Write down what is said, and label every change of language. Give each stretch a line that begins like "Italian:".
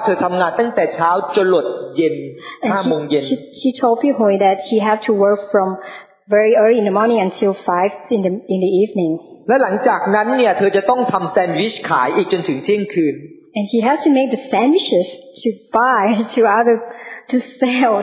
Thai: แล้วเธอก็เล่าให้ฟังว่าเธอทำงานตั้งแต่เช้าจนหลดเย็น 5 โมงเย็น
English: She told Huei that she has to work from very early in the morning until 5 in the evening.
Thai: แล้วหลังจากนั้นเนี่ยเธอจะต้องทำแซนด์วิชขายอีกจนถึงเที่ยงคืน
English: And she has to make the sandwiches to buy to other to sell.